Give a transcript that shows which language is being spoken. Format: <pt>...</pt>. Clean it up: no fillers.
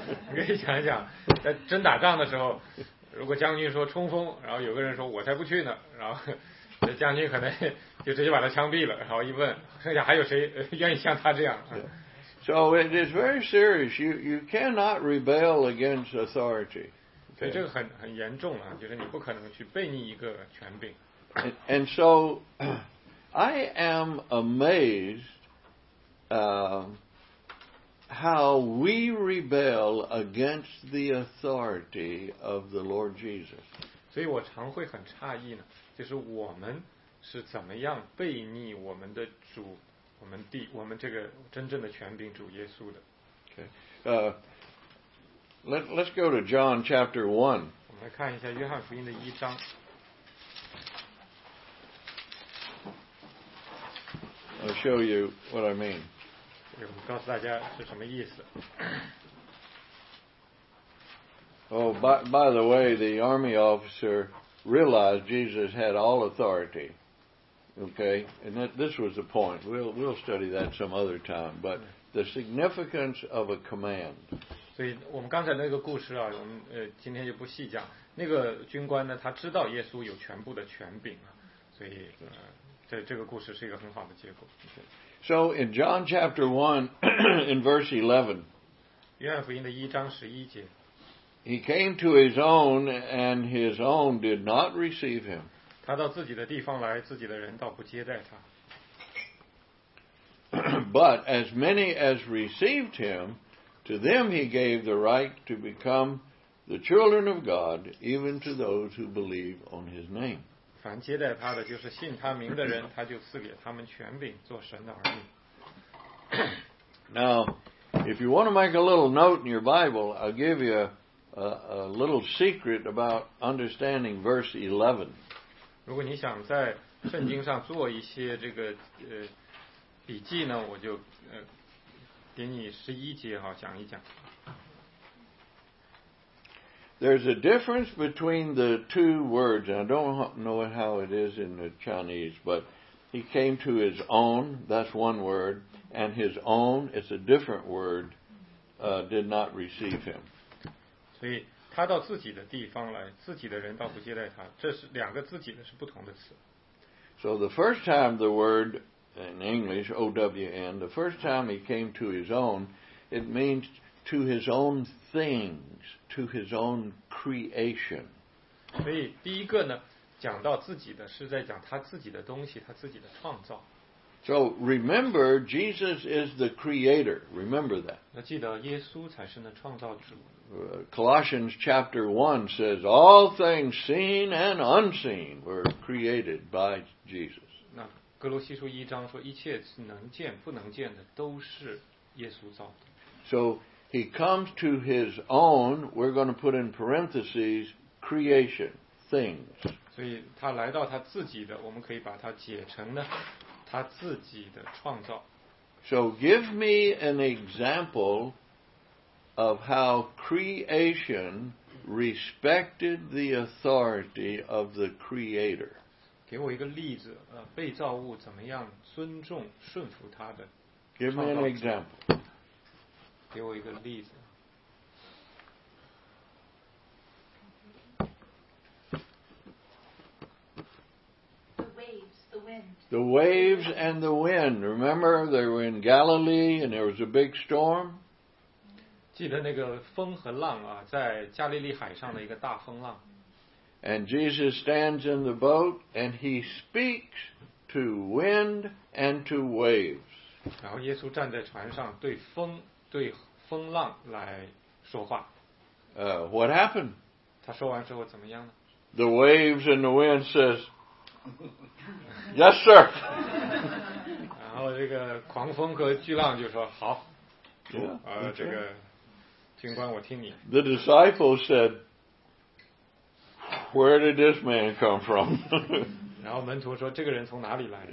<zh>你可以想一想，在真打仗的时候，如果将军说冲锋，然后有个人说我才不去呢，然后这将军可能就直接把他枪毙了，然后一问，剩下还有谁愿意像他这样？</zh> <en>Yeah. So it is very serious. You cannot rebel against authority.</en> <zh>所以这个很严重啊，就是你不可能去背逆一个权柄。</zh> <en>And so I am amazed how we rebel against the authority of the Lord Jesus.</en> <zh>所以我常会很诧异呢，就是我们是怎么样背逆我们的主。我们这个真正的权柄主耶稣的。</zh> <en>Okay. Let's go to John chapter 1.</en> <zh>我们来看一下约翰福音的一章。</zh> <en>I'll show you what I mean.</en> <zh>我们告诉大家是什么意思。</zh> <en>Oh, by the way, the army officer realized Jesus had all authority. Okay, and this was the point. We'll study that some other time. But the significance of a command.</en> <zh>所以我们刚才那个故事啊，我们今天就不细讲。那个军官呢，他知道耶稣有全部的权柄啊，所以这个故事是一个很好的结果。</zh> <en>So in John chapter 1, in verse 11,</en> <zh>约翰福音的一章十一节</zh> <en>he came to his own, and his own did not receive him.</en> <zh>他到自己的地方来，自己的人倒不接待他。</zh> <en>But as many as received him, to them he gave the right to become the children of God, even to those who believe on his name.</en> <zh>凡接待他的，就是信他名的人，他就赐给他们权柄，做神的儿女。</zh> <en>Now, if you want to make a little note in your Bible, I'll give you a little secret about understanding verse 11.</en> <zh>如果你想在圣经上做一些这个笔记呢，我就给你十一节哈讲一讲。</zh> <en>There's a difference between the two words. I don't know how it is in the Chinese, but he came to his own. That's one word, and his own. It's a different word. Did not receive him.</en> <zh>所以。他到自己的地方来，自己的人倒不接待他。这是两个自己的是不同的词。</zh> <en>So the first time the word in English, O-W-N, the first time he came to his own, it means to his own things, to his own creation.</en> <zh>所以第一个呢，讲到自己的，是在讲他自己的东西，他自己的创造。</zh> <en>So remember, Jesus is the creator. Remember that.</en> <zh>要记得耶稣才是那创造主。</zh> <en>Colossians chapter 1 says, all things seen and unseen were created by Jesus.</en> <zh>那哥罗西书一章说，一切能见不能见的都是耶稣造的。</zh> <en>So he comes to his own, we're going to put in parentheses, creation, things.</en> <zh>所以他来到他自己的，我们可以把它解成呢，他自己的创造。</zh> <en>So give me an example of how creation respected the authority of the creator.</en> <zh>给我一个例子，被造物怎么样尊重顺服他的。</zh> <en>Give me an example.</en> <zh>给我一个例子。</zh> <en>The waves and the wind. Remember, they were in Galilee and there was a big storm.</en> <zh>记得那个风和浪啊，在加利利海上的一个大风浪。</zh> <en>And Jesus stands in the boat and he speaks to wind and to waves.</en> <zh>然后耶稣站在船上，对风对风浪来说话。</zh> <en>What happened?</en> <zh>他说完之后怎么样呢？</zh> <en>The waves and the wind says. Yes, sir.</en> <zh>然后这个狂风和巨浪就说好。</zh> <en>Yeah,</en> <zh>这个军官我听你。</zh> <en>The disciples said, "Where did this man come from?"</en> <zh>然后门徒说这个人从哪里来的？</zh>